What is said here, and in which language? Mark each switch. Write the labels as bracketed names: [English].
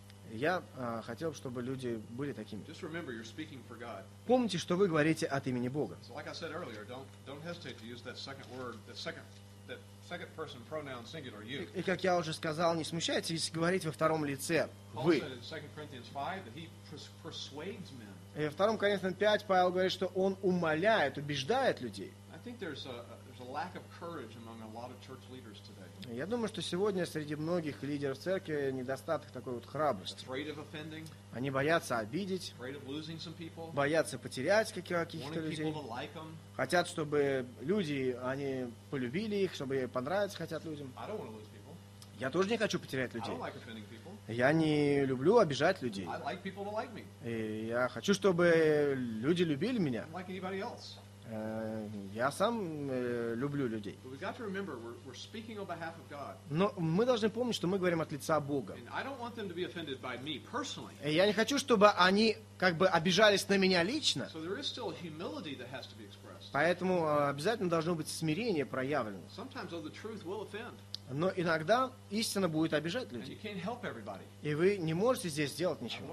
[Russian] Я хотел бы, чтобы люди были такими. [English] Remember, [Russian] помните, что вы говорите от имени Бога. [English] So, like I said earlier, don't hesitate to use that second pronoun singular, you. [Russian] И как я уже сказал, не смущайтесь говорить во втором лице «вы». [English] Paul said in 2 Corinthians 5 that he persuades men. [Russian] И во втором Коринфянам 5 Павел говорит, что он умоляет, убеждает людей. [English] I think there's a lack of courage among a lot of church leaders today. [Russian] Я думаю, что сегодня среди многих лидеров церкви недостаток такой вот храбрости. [English] Afraid of offending. [Russian] Они боятся обидеть. [English] Afraid of losing some people. [Russian] Боятся потерять каких-то людей. [English] Wanting people to like them. [Russian] Хотят, чтобы люди, они полюбили их, чтобы понравиться хотят людям. [English] I don't want to lose people. [Russian] Я тоже не хочу потерять людей. [English] I don't like offending people. [Russian] Я не люблю обижать людей. [English] I like people to like me. [Russian] И я хочу, чтобы люди любили меня. [English] Like anybody else. [Russian] Я сам люблю людей. [English] But we've got to remember, we're speaking on behalf of God. [Russian] Но мы должны помнить, что мы говорим от лица Бога. [English] And I don't want them to be offended by me personally. [Russian] И я не хочу, чтобы они как бы обижались на меня лично. [English] So there is still a humility that has to be expressed. [Russian] Поэтому обязательно должно быть смирение проявлено. [English] Sometimes the truth will offend. [Russian] Но иногда истина будет обижать людей. [English] And you can't help everybody. [Russian] И вы не можете здесь сделать ничего.